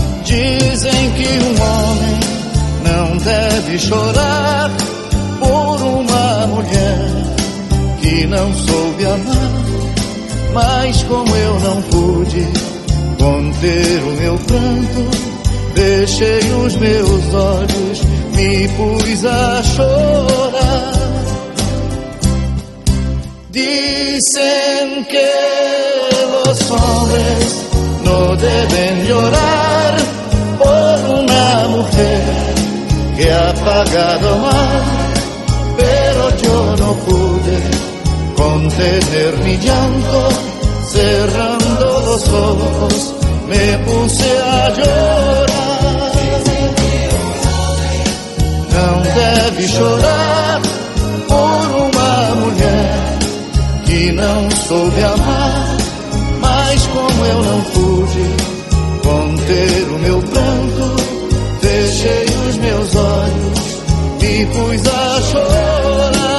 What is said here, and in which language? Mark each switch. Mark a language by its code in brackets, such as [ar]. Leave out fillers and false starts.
[pt] Dizem que um homem não deve chorar por uma mulher que não soube amar. Mas como eu não pude conter o meu pranto, deixei os meus olhos, me pus a chorar. [es] Dicen que los hombres no deben llorar por una mujer que ha pagado mal, pero yo no pude contener mi llanto, cerrando los ojos me puse a llorar. No debí llorar por una mujer que [pt] não soube amar. Mas como eu não pude conter o meu pranto, fechei os meus olhos, me pus a chorar.